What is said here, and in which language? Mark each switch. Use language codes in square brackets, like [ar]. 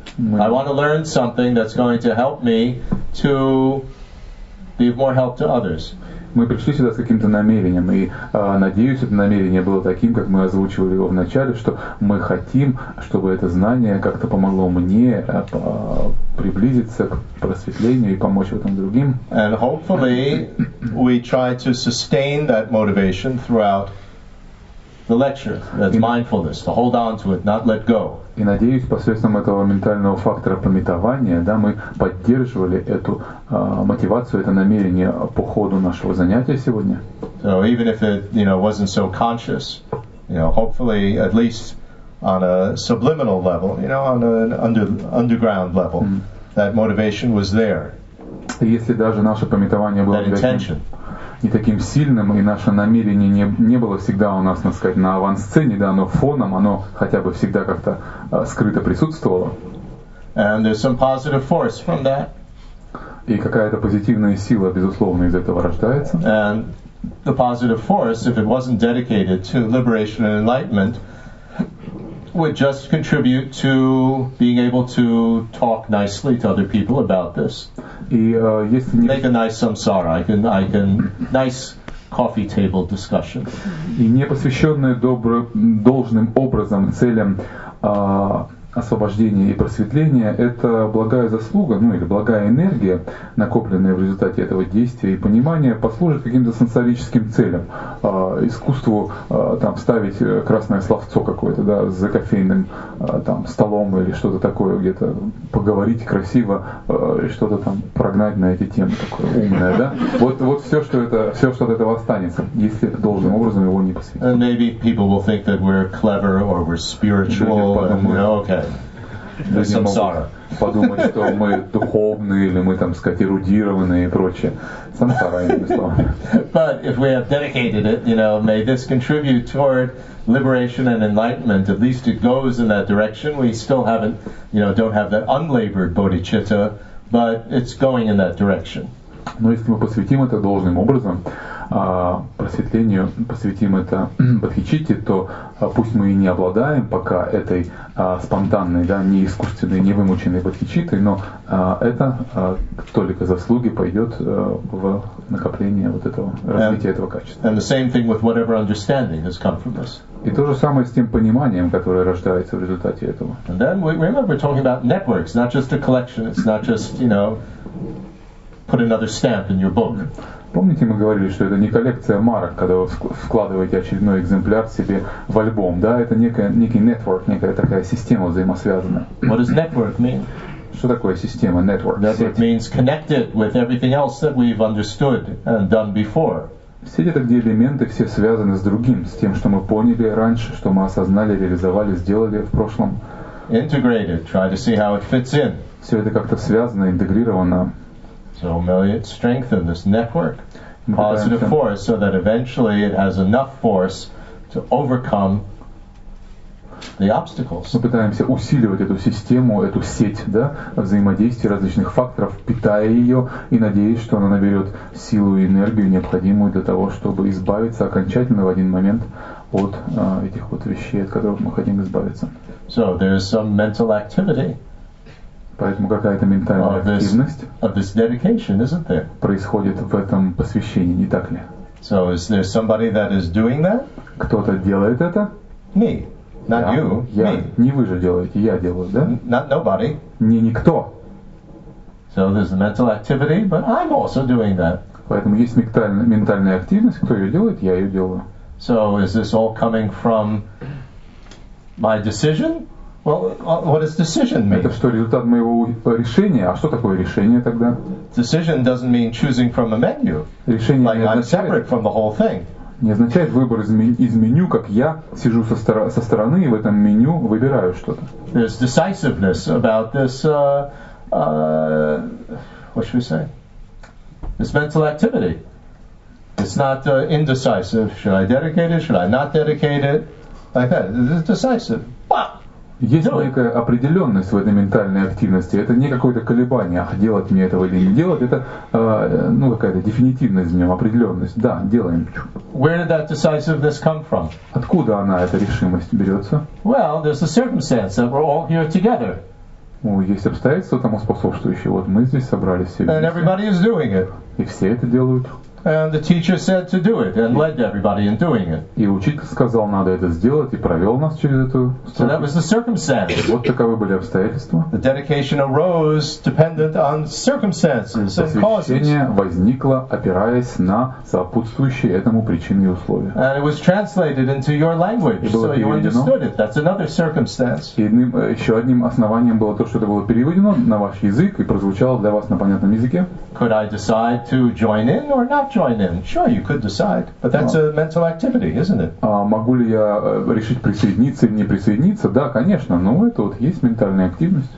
[en] I want to learn something that's going to help me to be of more help to others. [ru] Мы пришли сюда с каким-то намерением, и надеюсь, это намерение было таким, как мы озвучивали его в начале, что мы хотим, чтобы это знание как-то помогло мне приблизиться к просветлению и помочь в этом другим. [en] And hopefully we try to sustain that motivation throughout the lecture, that's mindfulness, to hold on to it, not let go. [ru] И надеюсь, посредством этого ментального фактора памятования, да, мы поддерживали эту мотивацию, это намерение по ходу нашего занятия сегодня. [en] So even if it, you know, wasn't so conscious, you know, hopefully at least on a subliminal level, you know, on an underground level, that motivation was there. [ru] И если даже наше памятование было не таким сильным, и наше намерение не было всегда у нас, так сказать, на авансцене, да, но фоном, оно хотя бы всегда как-то скрыто присутствовало. [en] And there's some positive force from that. [ru] И какая-то позитивная сила, безусловно, из этого рождается. [en] And the positive force, if it wasn't dedicated to liberation and enlightenment, would just contribute to being able to talk nicely to other people about this. Make a nice samsara. I can nice coffee table discussion. [ru] И не посвященное должным образом целям освобождения и просветления, это благая заслуга, ну или благая энергия, накопленная в результате этого действия и понимания, послужит каким-то сенсорическим целям, искусству там вставить красное словцо какое-то, да, за кофейным там столом или что-то такое, где-то поговорить красиво и что-то там прогнать на эти темы такое умное, да. Вот все, что от этого останется, если должным образом его не посвятить. [en] And maybe people will think that we're clever or we're spiritual. [ru] Люди могут подумать, что мы духовные или мы там, сказать, эрудированные и прочее. Самсара, иными словами. [en] But if we have dedicated it, you know, may this contribute toward liberation and enlightenment. At least it goes in that direction. We still haven't, you know, don't have that unlabored bodhicitta, but it's going in that direction. [ru] Но если мы посвятим это должным образом, просветлению, посвятим это бодхичитте, то пусть мы и не обладаем пока этой спонтанной, да, не искусственной, не вымученной бодхичиттой, но это только заслуги пойдет в накопление вот этого, развитие этого качества. [en] And the same thing with whatever understanding has come from this. [ru] И то же самое с тем пониманием, которое рождается в результате этого. [en] And then we remember talking about networks, not just a collection, it's not just, you know, put another stamp in your book. [ru] Помните, мы говорили, что это не коллекция марок, когда вы вкладываете очередной экземпляр себе в альбом, да? Это некий network, некая такая система взаимосвязанная. [en] What does network mean? [ru] Что такое система, network? [en] Network means connected with everything else that we've understood and done before. [ru] Сеть — это где элементы все связаны с другим, с тем, что мы поняли раньше, что мы осознали, реализовали, сделали в прошлом. [en] Integrated, try to see how it fits in. [ru] Все это как-то связано, интегрировано. [en] So may it strengthen this network, positive force, so that eventually it has enough force to overcome the obstacles. [ru] Мы пытаемся усиливать эту систему, эту сеть, да, взаимодействия различных факторов, питая ее, и надеясь, что она наберет силу и энергию, необходимую для того, чтобы избавиться окончательно в один момент от этих вот вещей, от которых мы хотим избавиться. [en] So there is some mental activity. [ru] Поэтому какая-то ментальная активность [en] of this dedication, isn't there? [ru] Происходит в этом посвящении, не так ли? [en] So is there somebody that is doing that? [ru] Кто-то делает это? [en] Me. Not [ru] я, [en] you, [ru] я. [en] Me. [ru] Не вы же делаете, я делаю, да? [en] Not nobody. [ru] Не никто. [en] So there's the mental activity, but I'm also doing that. [ru] Поэтому есть ментальная активность, кто ее делает, я ее делаю. [en] So is this all coming from my decision? Well, what does decision mean? [ru] Это что, результат моего решения? А что такое решение тогда? [en] Decision doesn't mean choosing from a menu. [ru] Решение [en] like [ru] не означает, [en] I'm separate from the whole thing. [ru] Не означает выбор из меню, как я сижу со стороны и в этом меню выбираю что-то. [en] There's decisiveness about this, what should we say? This mental activity. It's not indecisive. Should I dedicate it? Should I not dedicate it? Like that. It's decisive. Bah! [ru] Есть некая определенность в этой ментальной активности. Это не какое-то колебание, ах, делать мне этого или не делать. Это ну, какая-то дефинитивность в нем, определенность. Да, делаем. [en] Where did that decisiveness come from? [ru] Откуда она, эта решимость, берется? [en] Well, there's a circumstance that we're all here together. [ru] Ну, есть обстоятельства тому способствующие. Вот мы здесь собрались все вместе. [en] And everybody is doing it. [ru] И все это делают. [en] And the teacher said to do it and led everybody in doing it. [ru] И учитель сказал, надо это сделать, и провел нас через эту [en] So that was the circumstance. [ru] Вот таковы были обстоятельства. [en] The dedication arose dependent on circumstances and causes. [ru] Посвящение возникло, опираясь на сопутствующие этому причины и условия. [en] And it was translated into your language, so you understood it. That's another circumstance. [ru] И одним, еще одним основанием было то, что это было переведено на ваш язык и прозвучало для вас на понятном языке. [en] Could I decide to join in or not? Join in. Sure, you could decide, but that's a mental activity, isn't it? [ru] Могу ли я решить присоединиться или не присоединиться? Да, конечно. Но это вот есть ментальная активность.